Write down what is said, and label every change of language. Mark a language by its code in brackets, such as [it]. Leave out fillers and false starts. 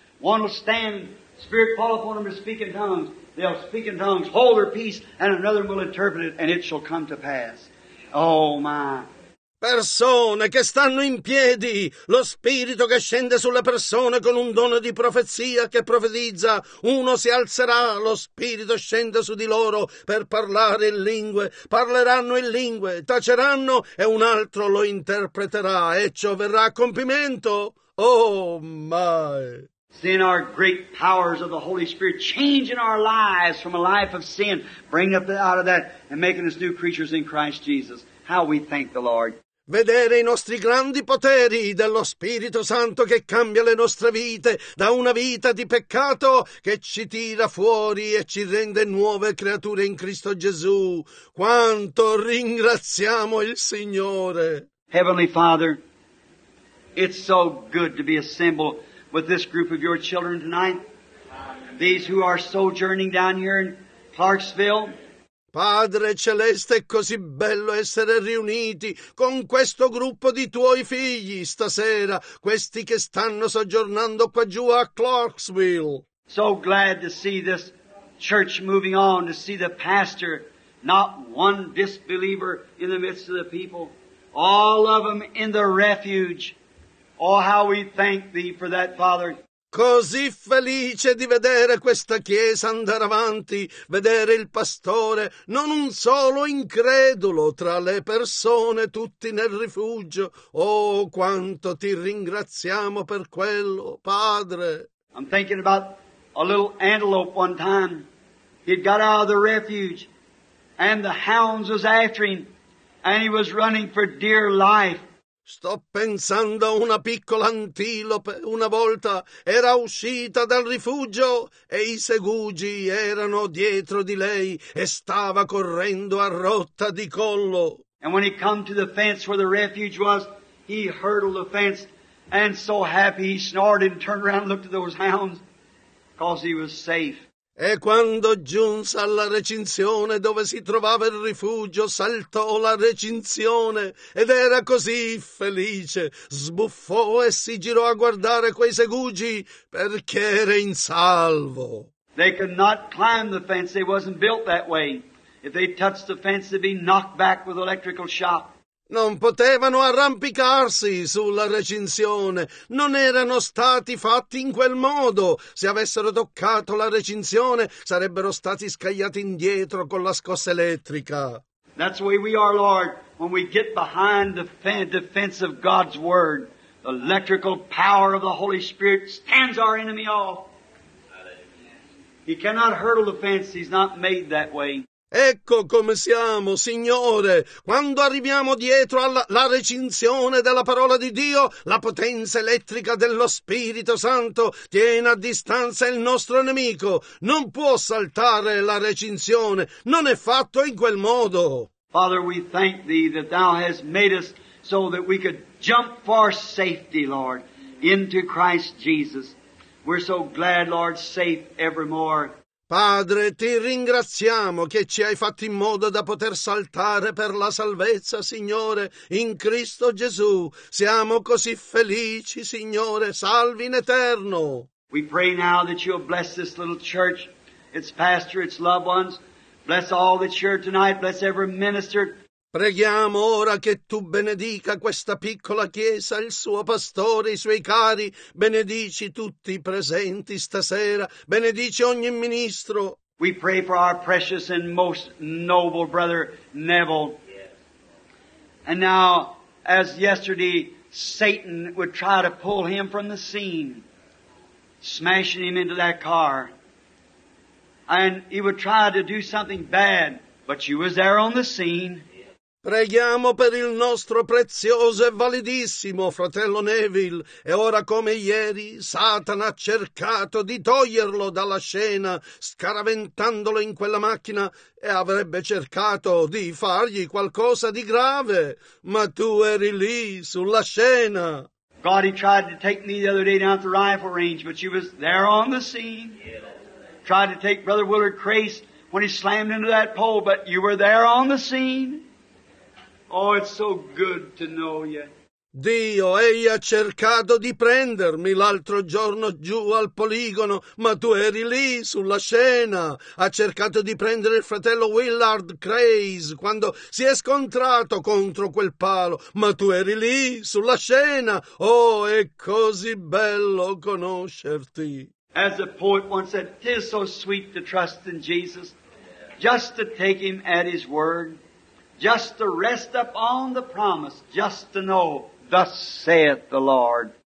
[en] One will stand, Spirit fall upon them to speak in tongues. They'll speak in tongues, hold their peace, and another will interpret it, and it shall come to pass. Oh, my. [it] Persone che stanno in piedi, lo Spirito che scende sulle persone con un dono di profezia che profetizza, uno si alzerà, lo Spirito scende su di loro per parlare in lingue, parleranno in lingue, taceranno e un altro lo interpreterà e ciò verrà a compimento. [en] Oh, my! Then our great powers of the Holy Spirit changing our lives from a life of sin, bringing us out of that and making us new creatures in Christ Jesus. How we thank the Lord. [it] Vedere i nostri grandi poteri dello Spirito Santo che cambia le nostre vite da una vita di peccato che ci tira fuori e ci rende nuove creature in Cristo Gesù. Quanto ringraziamo il Signore. [en] Heavenly Father, it's so good to be assembled with this group of your children tonight. These who are sojourning down here in Clarksville. [it] Padre Celeste, è così bello essere riuniti con questo gruppo di tuoi figli stasera, questi che stanno soggiornando qua giù a Clarksville. [en] So glad to see this church moving on, to see the pastor, not one disbeliever in the midst of the people, all of them in the refuge. Oh, how we thank thee for that, Father. [it] Così felice di vedere questa chiesa andare avanti, vedere il pastore, non un solo incredulo tra le persone, tutti nel rifugio. Oh, quanto ti ringraziamo per quello, Padre. [en] I'm thinking about a little antelope one time. He'd got out of the refuge, and the hounds was after him, and he was running for dear life. [it] Sto pensando a una piccola antilope. Una volta era uscita dal rifugio e i segugi erano dietro di lei e stava correndo a rotta di collo. [en] And when he come to the fence where the refuge was, he hurdled the fence, and so happy he snorted and turned around and looked at those hounds, because he was safe. [it] E quando giunse alla recinzione dove si trovava il rifugio, saltò la recinzione ed era così felice. Sbuffò e si girò a guardare quei segugi perché era in salvo. [en] They could not climb the fence, they wasn't built that way. If they touched the fence, they'd be knocked back with electrical shock. [it] Non potevano arrampicarsi sulla recinzione, non erano stati fatti in quel modo. Se avessero toccato la recinzione, sarebbero stati scagliati indietro con la scossa elettrica. [en] That's the way we are, Lord, when we get behind the defense of God's Word. The electrical power of the Holy Spirit stands our enemy off. He cannot hurdle the fence, he's not made that way. [it] Ecco come siamo, Signore, quando arriviamo dietro alla la recinzione della parola di Dio, la potenza elettrica dello Spirito Santo tiene a distanza il nostro nemico. Non può saltare la recinzione, non è fatto in quel modo. [en] Father, we thank thee that thou hast made us so that we could jump for safety, Lord, into Christ Jesus. We're so glad, Lord, safe evermore. [it] Padre, ti ringraziamo che ci hai fatto in modo da poter saltare per la salvezza, Signore, in Cristo Gesù. Siamo così felici, Signore, salvi in eterno. [en] We pray now that you'll bless this little church, its pastor, its loved ones. Bless all that's here tonight, bless every minister. [it] Preghiamo ora che tu benedica questa piccola chiesa, il suo pastore, i suoi cari. Benedici tutti i presenti stasera. Benedici ogni ministro. [en] We pray for our precious and most noble brother Neville. And now, as yesterday, Satan would try to pull him from the scene, smashing him into that car. And he would try to do something bad, but you was there on the scene. [it] Preghiamo per il nostro prezioso e validissimo fratello Neville. E ora come ieri, Satana ha cercato di toglierlo dalla scena, scaraventandolo in quella macchina, e avrebbe cercato di fargli qualcosa di grave. Ma tu eri lì, sulla scena. [en] God, he tried to take me the other day down at the rifle range, but you was there on the scene. Tried to take Brother Willard Crace when he slammed into that pole, but you were there on the scene. Oh, it's so good to know you. [it] Dio, egli ha cercato di prendermi l'altro giorno giù al poligono, ma tu eri lì, sulla scena. Ha cercato di prendere il fratello Willard Craze quando si è scontrato contro quel palo, ma tu eri lì, sulla scena. Oh, è così bello conoscerti. [en] As a poet once said, 'tis so sweet to trust in Jesus, just to take him at his word. Just to rest up on the promise, just to know, thus saith the Lord.